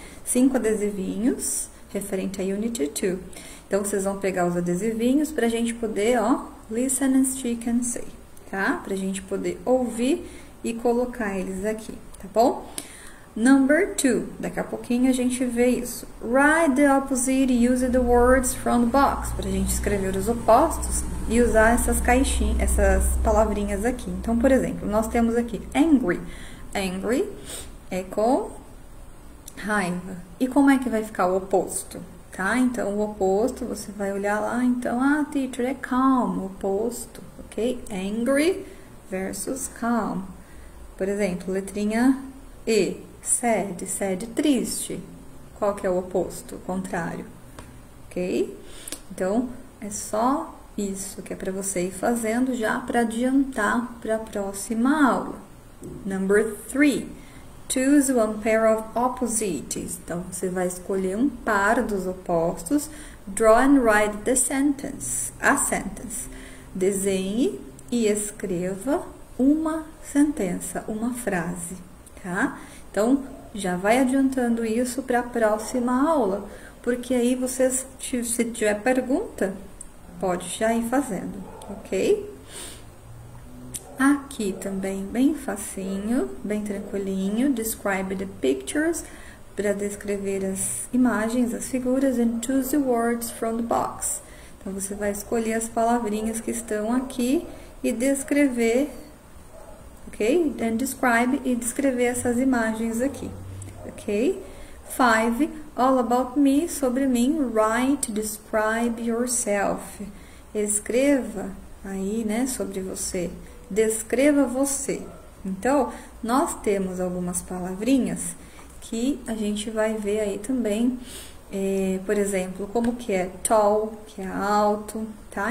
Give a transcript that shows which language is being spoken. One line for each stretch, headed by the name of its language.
Portuguese: 5 adesivinhos referente a Unit 2. Então, vocês vão pegar os adesivinhos pra gente poder, ó,
English: listen and stick and say.
Portuguese: Tá? Pra gente poder ouvir e colocar eles aqui, tá bom?
English: Number 2.
Portuguese: Daqui a pouquinho a gente vê isso.
English: Write the opposite using the words from the box.
Portuguese: Pra gente escrever os opostos e usar essas caixinhas, essas palavrinhas aqui. Então, por exemplo, nós temos aqui angry. Angry é com raiva. E como é que vai ficar o oposto? Tá? Então, o oposto, você vai olhar lá. Então, ah, teacher, é calm, oposto. Ok? Angry versus calm. Por exemplo, letrinha E. Sad, sad, triste. Qual que é o oposto? O contrário. Ok? Então, é só isso que é para você ir fazendo já para adiantar para a próxima aula.
English: Number 3. choose one pair of opposites.
Portuguese: Então, você vai escolher um par dos opostos.
English: Draw and write the sentence. A sentence.
Portuguese: Desenhe e escreva uma sentença, uma frase, tá? Então, já vai adiantando isso para a próxima aula, porque aí vocês, se tiver pergunta, pode já ir fazendo, ok? Aqui também, bem facinho, bem tranquilinho.
English: Describe the pictures
Portuguese: para descrever as imagens, as figuras,
English: and choose the words from the box.
Portuguese: Então você vai escolher as palavrinhas que estão aqui e descrever, ok?
English: And describe
Portuguese: e descrever essas imagens aqui, ok? 5.
English: All about me,
Portuguese: sobre mim.
English: Write, describe yourself.
Portuguese: Escreva aí, né, sobre você. Descreva você. Então, nós temos algumas palavrinhas que a gente vai ver aí também. É, por exemplo, como que é tall, que é alto, tá?